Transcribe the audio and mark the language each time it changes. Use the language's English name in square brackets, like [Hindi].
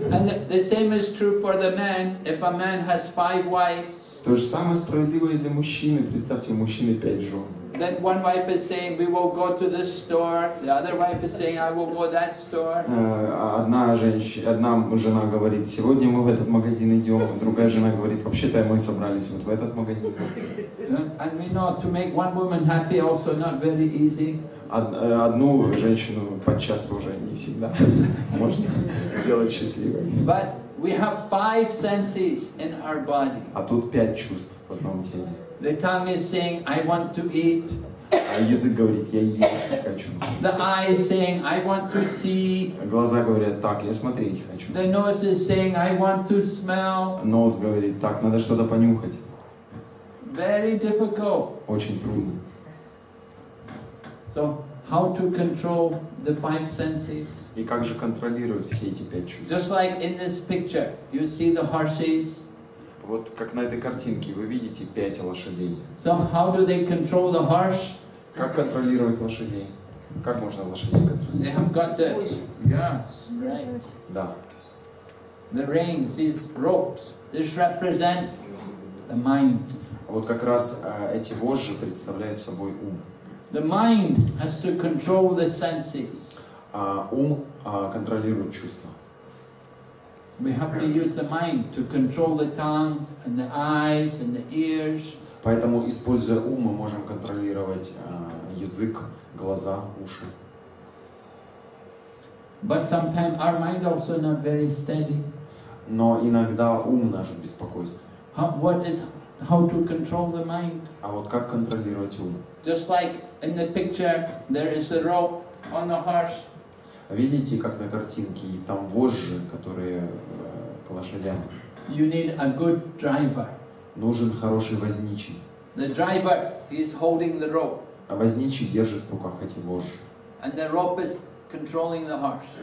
[English] And the same is true for the man. If a man has five wives. [Russian] То же самое справедливое для мужчины. Представьте, у мужчины пять жен. [English] That one wife is saying, "We will go to this store." The other wife is saying, "I will go to that store." [Russian] Одна жена говорит, сегодня мы в этот магазин идем. Другая жена говорит, вообще-то мы собрались вот в этот магазин. [English] And we know to make one woman happy also not very easy. [Russian] Одну женщину подчас уже не всегда можно сделать счастливой. [English] But we have five senses in our body. [Russian] А тут пять чувств в одном теле. [English] The tongue is saying, "I want to eat." [Russian] А язык говорит, я есть хочу. [English] The eye is saying, I want to see. [Russian] Глаза говорят, так, я смотреть хочу. [English] The nose is saying, I want to smell. [Russian] Нос говорит, так, надо что-то понюхать. [English] Very difficult. [Russian] Очень трудно. [English] So, how to control the five senses? [Russian] И как же контролировать все эти пять чувств? [English] Just like in this picture, you see the horses. [Russian] Вот как на этой картинке, вы видите пять лошадей. [English] So how do they control the horse? [Russian] Как контролировать лошадей? Как можно лошадей контролировать? [English] They have got the yes, right. [Russian] Да. [English] The reins, these ropes, this represent the mind. [Russian] Вот как раз эти вожжи представляют собой ум. [English] The mind has to control the senses. [Russian] Ум контролирует чувства. [English] We have to use the mind to control the tongue and the eyes and the ears. [Russian] Поэтому, используя ум, мы можем контролировать язык, глаза, уши. [English] But sometimes our mind also not very steady. [Russian] Но иногда ум наш в беспокойстве. [English] How to control the mind? [Russian] А вот как контролировать ум? [English] Just like in the picture, there is a rope on the horse. [Russian] Видите, как на картинке, и там вожжи, которые к лошадям. [English] You need a good driver. [Russian] Нужен хороший возничий. [English] The driver is holding the rope. [Russian] А возничий держит в руках эти вожжи. [English] And the rope is controlling the horse.